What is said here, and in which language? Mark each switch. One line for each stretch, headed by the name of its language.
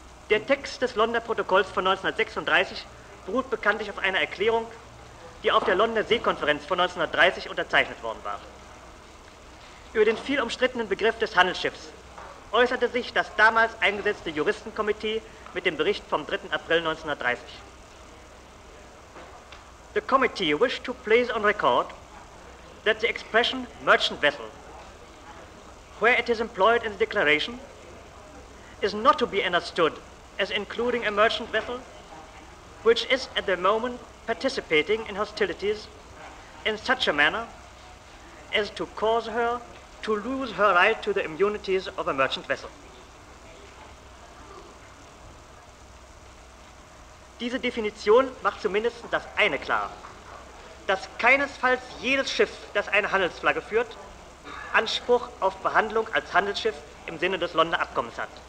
German: Der Text des Londoner Protokolls von 1936 beruht bekanntlich auf einer Erklärung, die auf der Londoner Seekonferenz von 1930 unterzeichnet worden war. Über den viel umstrittenen Begriff des Handelsschiffs äußerte sich das damals eingesetzte Juristenkomitee mit dem Bericht vom 3. April 1930.
English: The committee wished to place on record that the expression merchant vessel, where it is employed in the declaration, is not to be understood as including a merchant vessel, which is at the moment participating in hostilities in such a manner as to cause her to lose her right to the immunities of a merchant vessel.
German: Diese Definition macht zumindest das eine klar, dass keinesfalls jedes Schiff, das eine Handelsflagge führt, Anspruch auf Behandlung als Handelsschiff im Sinne des Londoner Abkommens hat.